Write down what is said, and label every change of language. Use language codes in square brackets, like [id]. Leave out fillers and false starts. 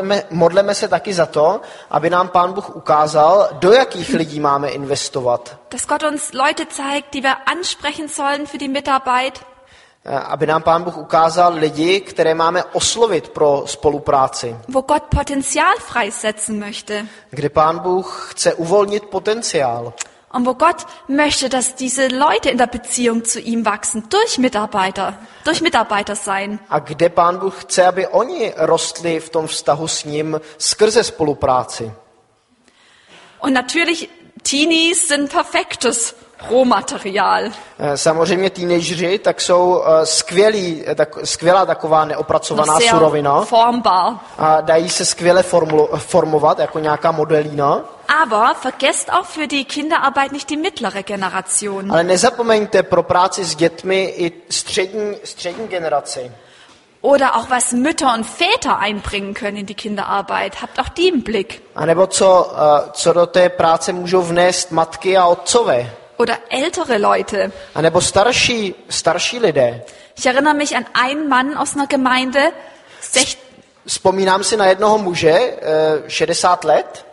[cs] Modleme se taky za to, aby nám Pán Bůh ukázal, do jakých lidí máme investovat. [de] Dass Gott uns Leute zeigt, die wir ansprechen sollen für die Mitarbeit. [cs] Aby nám Pán Bůh ukázal lidi, které máme oslovit pro spolupráci. [de] Wo Gott Potenzial freisetzen möchte. [cs] Kde Pán Bůh chce uvolnit potenciál. [de] Und wo Gott möchte, dass diese Leute in der Beziehung zu ihm wachsen, durch Mitarbeiter sein. [cs] A kde Pán Bůh chce, aby oni rostli v tom vztahu s ním skrze spolupráci. [de] Und natürlich, Teenies sind perfektes Rohmaterial. [cs] Samozřejmě teenageři, tak jsou skvělá taková neopracovaná surovina. [de] Formbar. [cs] A dají se skvěle formovat jako nějaká modelína. [de] Aber vergesst auch für die Kinderarbeit nicht die mittlere Generation. [cs] Ale nezapomeňte pro práci s dětmi i střední generaci. [de] Oder auch was Mütter und Väter einbringen können in die Kinderarbeit. Habt auch die im Blick. [cs] A nebo co do té práce můžou vnést matky a otcové. [de] Oder ältere Leute. [cs] A nebo starší lidé. [de] Ich erinnere mich an einen Mann aus einer Gemeinde. [cs] Vzpomínám si na jednoho muže, 60 let.